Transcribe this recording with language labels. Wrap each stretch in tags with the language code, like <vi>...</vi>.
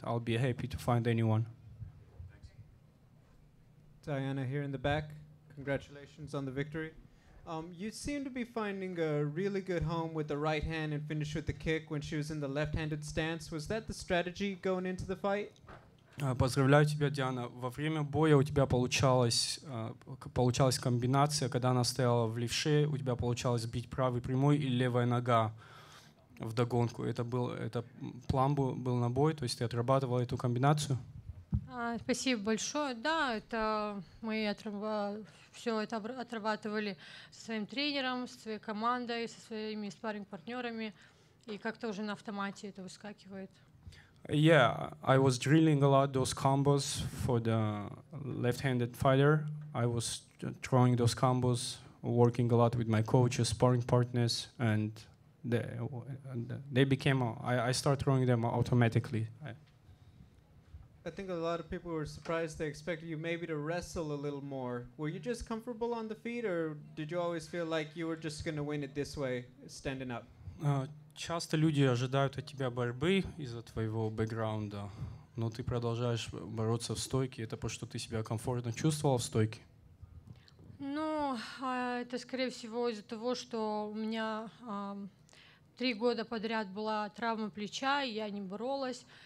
<en>I'll be happy to find anyone. Thanks. Diana here in the back. Congratulations on the victory. You seem to be finding a really good home with the right hand and finish with the kick when she was in the left-handed stance. Was that the strategy going into the fight?</en> <ru>Поздравляю тебя, Диана. Во время боя у тебя получалась комбинация, когда она стояла в левше, у тебя получалось бить правый прямой и левая нога вдогонку. Это план был на бой, то есть ты отрабатывала эту комбинацию? Спасибо большое. Да, это мы все это отрабатывали со своим тренером, со своей командой, со своими спарринг-партнерами, и как-то уже на автомате это выскакивает.</ru> <en>Yeah, I was drilling a lot those combos for the left-handed fighter. I was throwing those combos working a lot with my coaches, sparring partners, and they became, I started throwing them automatically. I think a lot of people were surprised. They expected you maybe to wrestle a little more. Were you just comfortable on the feet, or did you always feel like you were just going to win it this way, standing up?</en> <ru>Часто люди ожидают от тебя борьбы из-за твоего бэкграунда, но ты продолжаешь бороться в стойке. Это потому, что ты себя комфортно чувствовал в стойке? Ну, это, скорее всего, из-за того, что у меня три года подряд была травма плеча, и я не боролась.</ru>